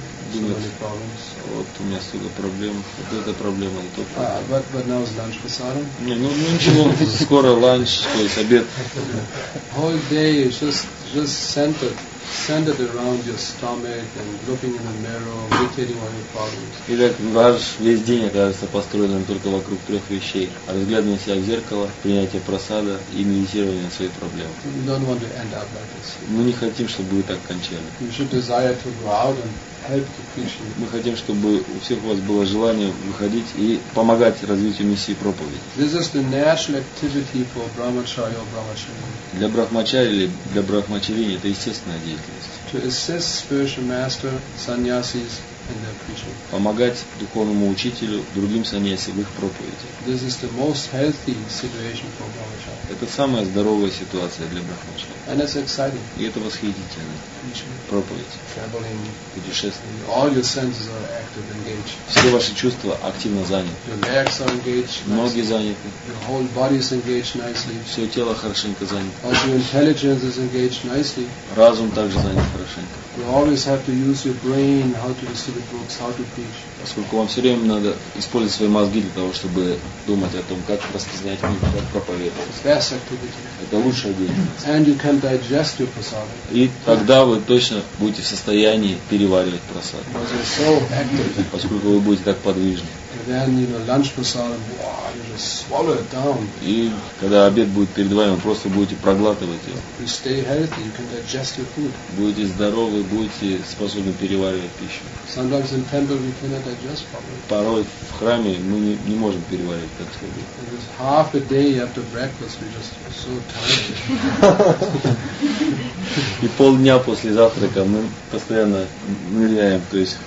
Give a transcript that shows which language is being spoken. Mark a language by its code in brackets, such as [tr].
[ru] Вот у меня столько проблем, вот эта проблема, вот эта. [en] But now is lunch prasadam. [ru] Не, ну ничего, скоро ланч, то есть обед. [en] Whole day is just centered. Send it around your stomach and looking in the mirror, meditating on your problems. [ru] Итак, ваш весь день окажется построенным только вокруг трех вещей: разглядывание себя в зеркало, принятие просада и медитирование своих проблем. [en] We don't want to end up like this. [ru] Мы не хотим, чтобы вы так кончали. [en] You should desire to go out and help the Krishna. [ru] Мы хотим, чтобы у всех у вас было желание выходить и помогать развитию миссии проповеди. [en] This is the natural activity for brahmacharya or brahmacharini. [ru] Для брахмачари или для брахмачарини это естественное. [en] To assist spiritual master sannyasis in their preaching. [ru] Помогать духовному учителю другим саньяси в их проповеди. [en] This is the most healthy situation for brahmacharya. [ru] Это самая здоровая ситуация для брахмачари. [en] And it's exciting. [ru] И это восхитительно. Проповедь. [en] Traveling. [ru] Путешествие. [en] All your senses are active, engaged. [ru] Все ваши чувства активно заняты. [en] Your legs are engaged. [ru] Ноги заняты. [en] Your whole body is engaged nicely. [ru] Все тело хорошенько занято. [en] All your intelligence is engaged nicely. [ru] Разум также занят хорошенько. [en] You always have to use your brain how to distribute books, how to preach. [ru] Поскольку вам все время надо использовать свои мозги для того, чтобы думать о том, как распространять книги, как проповедовать. [en] It's best activity. [ru] Это лучшая деятельность. [en] And you can digest your prasada. [ru] И тогда вы точно будете в состоянии переваривать просад. [en] So [ru] поскольку вы будете так подвижны. [en] Then, you know, lunch prasadam, wow, you just swallow it down. [ru] И когда обед будет перед вами, вы просто будете проглатывать его. [en] You stay healthy, you can digest your food. [ru] Будете здоровы, будете способны переваривать пищу. [en] Sometimes in temple we cannot digest properly. [ru] Порой в храме мы не можем переваривать как следует. [en] It is half a day after breakfast, we just so tired. [ru] И полдня после завтрака мы постоянно ныряем, то есть